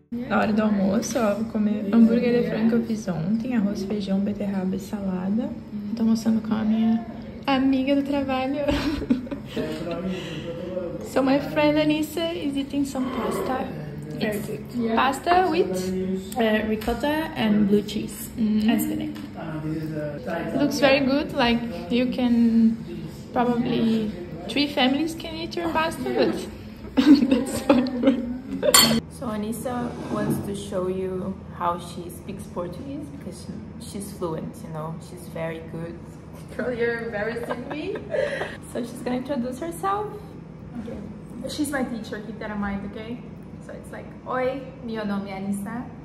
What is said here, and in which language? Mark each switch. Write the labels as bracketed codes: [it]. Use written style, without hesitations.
[pt] hora do almoço, ó, vou comer hambúrguer de frango que eu fiz ontem, arroz, feijão, beterraba e salada. Tô almoçando com a minha amiga do trabalho. [en] So my friend Anissa is eating some pasta. It's pasta with ricotta and blue cheese. That's the name. It looks very good, like you can probably, three families can eat your pasta, but that's fine. So Anissa wants to show you how she speaks Portuguese, because she's fluent, you know, she's very good. Girl, you're embarrassing me. So she's gonna introduce herself. Okay. She's my teacher, keep that in mind, okay? So it's like, [pt] oi, meu nome é Anissa.